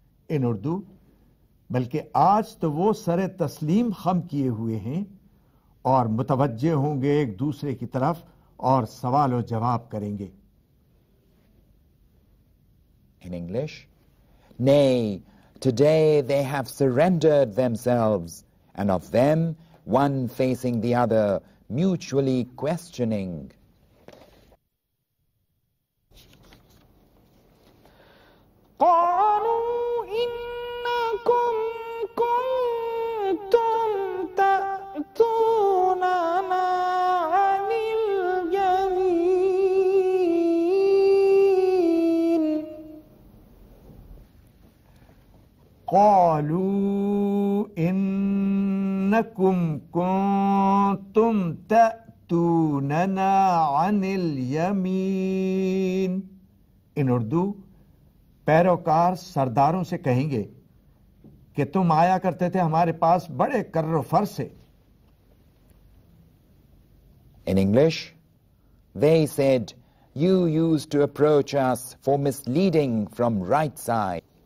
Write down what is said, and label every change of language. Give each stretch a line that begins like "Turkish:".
English: In Urdu,
Urdu: بلکہ آج تو وہ سر تسلیم خم کیے ہوئے ہیں اور متوجہ ہوں گے ایک دوسرے کی طرف اور سوال و جواب کریں گے.
English: In English, nay, today they have surrendered themselves, and of them one facing the other, mutually questioning.
Arabic: قَالُوا إِنَّكُمْ كُنْتُمْ تَأْتُونَنَا عَنِ الْيَمِينِ قَالُوا إِنَّكُمْ كُنْتُمْ تَأْتُونَنَا عَنِ الْيَمِينِ.
English: In Urdu,
Urdu: پیروکار سرداروں سے کہیں گے کہ تم آیا کرتے تھے ہمارے پاس بڑے کر و فر سے.
English: In English, they said, you used to approach us for misleading from right side.